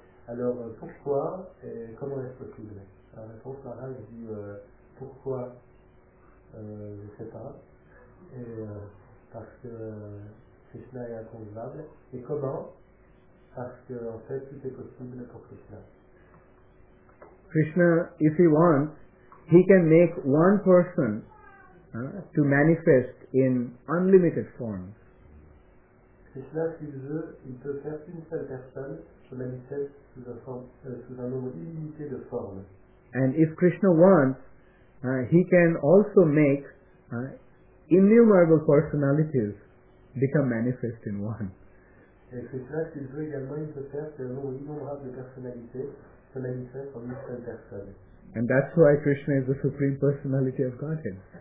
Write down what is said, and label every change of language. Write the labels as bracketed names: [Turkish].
[French] Alors pourquoi et comment est-ce possible? La réponse par là, je dis pourquoi, je ne sais pas, et, parce que Krishna est inconcevable, et comment? Parce que en fait tout est possible pour Krishna. [English] Krishna, if he wants, he can make one person to manifest in unlimited form. [French] Krishna, s'il veut, il peut faire qu'une seule personne se manifeste sous un nombre illimité de formes. [English] And if Krishna wants, he can also make innumerable personalities become manifest in one. [French] Et Krishna, s'il veut également, il peut faire qu'un nombre innombrable de personnalités se manifeste en une seule personne. [English] And that's why Krishna is the Supreme Personality of Godhead.